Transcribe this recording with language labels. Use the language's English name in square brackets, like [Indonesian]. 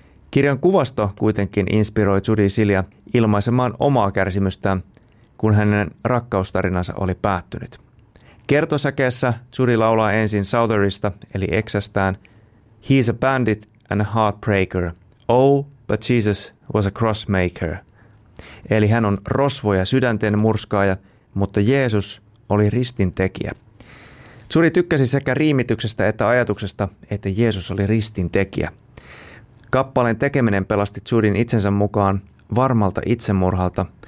[Finnish] Kirjan kuvasto kuitenkin inspiroi Judy Sillia ilmaisemaan omaa kärsimystään, kun hänen rakkaustarinansa oli päättynyt. Kertosäkeessä Judy laulaa ensin Southerista, eli eksästään, [English] He's a bandit and a heartbreaker. Oh, but Jesus was a crossmaker. [Finnish] Eli hän on rosvo ja sydänten murskaaja, mutta Jeesus oli ristintekijä. Judy tykkäsi sekä riimityksestä että ajatuksesta, että Jeesus oli ristintekijä. Kappaleen tekeminen pelasti Judyn itsensä mukaan varmalta itsemurhalta.